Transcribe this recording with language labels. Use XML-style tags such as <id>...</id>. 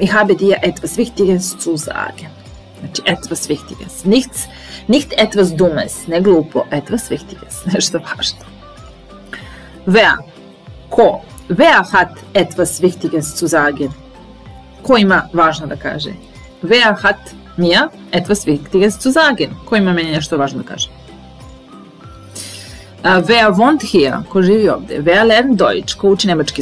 <de>Ich habe dir etwas Wichtiges zu sagen. Znači, etwas Wichtiges. Nichts, nicht etwas Dummes,</de> <sr>ne glupo.</sr> <de>Etwas Wichtiges,</de> <sr>nešto važno.</sr> <de>Wer? Ko? Wer hat etwas Wichtiges zu sagen?</de> <sr>Ko ima važno da kaže?</sr> <de>Wer hat mir etwas Wichtiges zu sagen?</de> <sr>Ko ima meni nešto važno da kaže?</sr> <de>Wer wohnt hier?</de> <sr>Ko živi ovdje?</sr> <de>Wer lernt Deutsch?</de> <sr>Ko uči nemački?</sr>